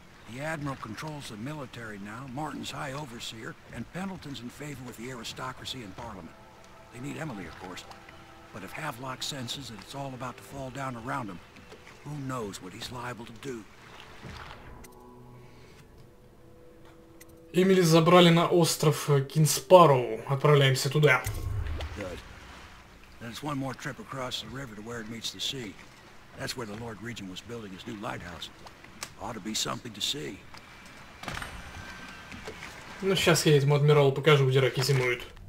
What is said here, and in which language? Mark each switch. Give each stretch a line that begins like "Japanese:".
English: The Admiral controls the military now, Martin's high overseer, and Pendleton's in favor with the aristocracy and Parliament. They need Emily, of course. But if Havelock senses that it's all about to fall down around him, who knows what he's liable to do?
Russian: Эмили забрали на остров Кинспарроу. Отправляемся туда.
English: Good. Then it's one more trip across the river to where it meets the sea. That's where the Lord Regent was building his new lighthouse. Ought to be something to see.
Russian: Ну сейчас я этому адмиралу покажу, где раки зимуют.